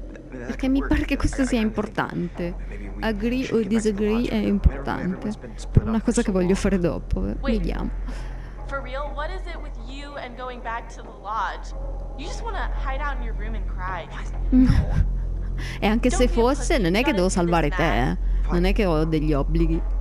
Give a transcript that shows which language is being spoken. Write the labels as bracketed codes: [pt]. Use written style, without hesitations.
[it] Perché mi pare che questo sia importante. [en] Agree [it] o [en] disagree [it] è importante. Per una cosa che voglio fare dopo. Vediamo. [en] For real, what is it with you and going back to the lodge? You just wanna hide out in your room and cry. [it] E anche se fosse, non è che devo salvare te. Non è che ho degli obblighi.